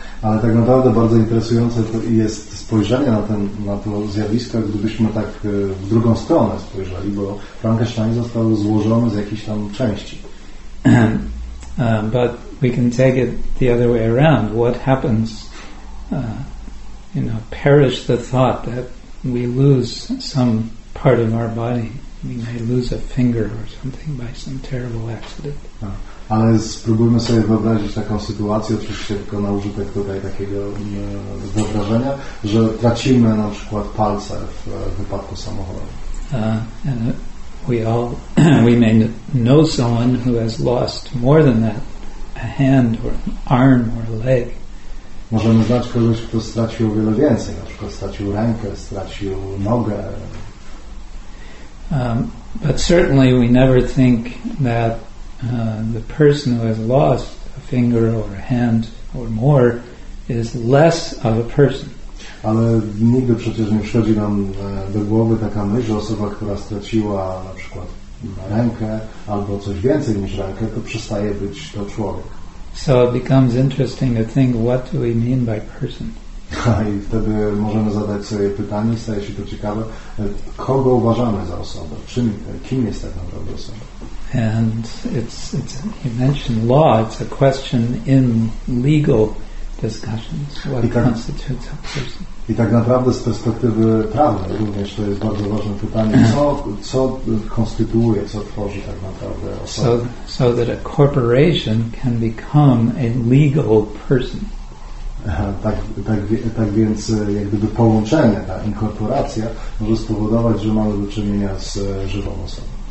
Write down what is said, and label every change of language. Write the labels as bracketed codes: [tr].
[pl] Ale tak naprawdę bardzo interesujące jest spojrzenie na to zjawisko, gdybyśmy tak w drugą stronę spojrzeli, bo Frankenstein został złożony z jakichś tam części. [en] But we can take it the other way around. What happens, perish the thought that we lose some part of our body. We may lose a finger or something by some terrible accident. [pl] Ale spróbujmy sobie wyobrazić taką sytuację, oczywiście tylko na użytek tutaj takiego wyobrażenia, że tracimy na przykład palce w wypadku samochodowym. [en] We may know someone who has lost more than that, a hand or an arm or a leg. [pl] Możemy znać kogoś, kto stracił wiele więcej, na przykład stracił rękę, stracił nogę. [en] But certainly we never think that the person who has lost a finger or a hand or more is less of a person. [pl] Ale nigdy przecież nie przychodzi nam do głowy taka myśl, że osoba, która straciła na przykład rękę albo coś więcej niż rękę, to przestaje być to człowiek. [en] So it becomes interesting to think, what do we mean by person? [pl] I wtedy możemy zadać sobie pytanie, staje się to ciekawe, kogo uważamy za osobę, czym, kim jest tak naprawdę osoba? [en] And it's you mentioned law, it's a question in legal discussions, constitutes a person. [pl] I tak naprawdę z perspektywy prawnej również to jest bardzo ważne pytanie, co konstytuuje, co tworzy tak naprawdę osobę. [en] So that a corporation can become a legal person. [pl] Tak więc jak gdyby połączenie, ta inkorporacja może spowodować, że mamy do czynienia z żywą osobą.